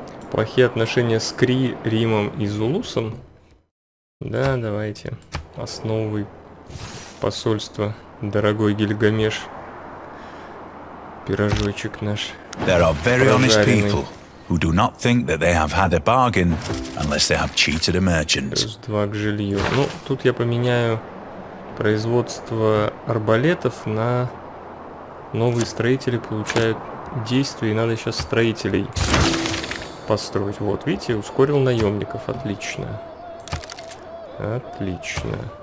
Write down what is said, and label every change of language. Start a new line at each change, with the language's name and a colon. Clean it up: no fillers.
Russian: Плохие отношения с Кри, Римом и Зулусом. Да, давайте. Основы посольства, дорогой Гильгамеш. Пирожочек наш.
English: There are very honest people who do not think that they have had a bargain unless they have cheated a merchant.
Russian: Плюс 2 к жилью. Ну, тут я поменяю производство арбалетов на новые строители получают действие, и надо сейчас строителей построить. Вот, видите, ускорил наемников. Отлично. Отлично.